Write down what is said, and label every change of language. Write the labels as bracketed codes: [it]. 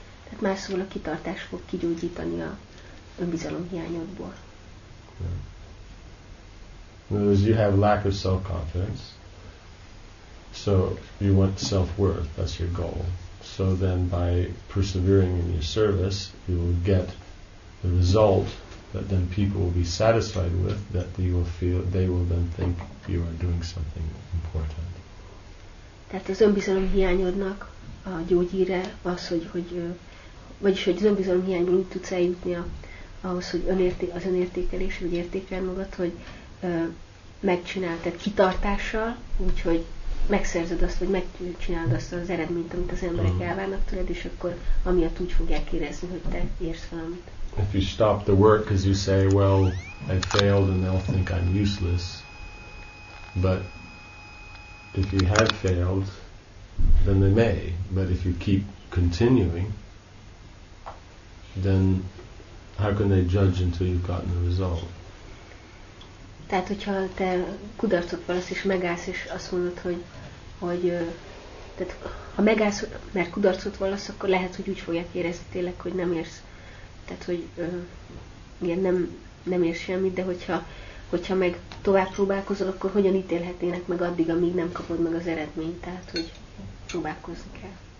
[hu] Tehát más szóval a kitartás fog kigyógyítani a önbizalom hiányodból. [en] In other words, you have lack of self-confidence, so you want self-worth. That's your goal. So then by persevering in your service, you will get the result that then people will be satisfied with, that they will feel, they will then think you are doing something important. [hu] Tehát az önbizalom hiányodnak a gyógyíre az, hogy vagyis hogy az önbizalom hiányból úgy tudsz eljutni ahhoz, hogy az önértékelés, vagy értékel magad, hogy megcsinál, tehát kitartással, úgyhogy megszerzed azt, vagy megcsinálod azt az eredményt, amit az emberek elvárnak tőled, és akkor amiatt úgy fogják érezni, hogy te érsz valamit. [en] If you stop the work because you say, well, I failed and they'll think I'm useless, but if you have failed, then they may, but if you keep continuing, then how can they judge until you've gotten the result? [hu] Tehát, hogyha te kudarcot vallasz és megállsz, és azt mondod, hogy, hogy tehát, ha megállsz, mert kudarcot vallasz, akkor lehet, hogy úgy fogják érezni tényleg, hogy nem érsz. Tehát, hogy igen, nem érsz semmit, de hogyha meg tovább próbálkozol, akkor hogyan ítélhetnének meg addig, amíg nem kapod meg az eredményt, tehát, hogy próbálkozni kell.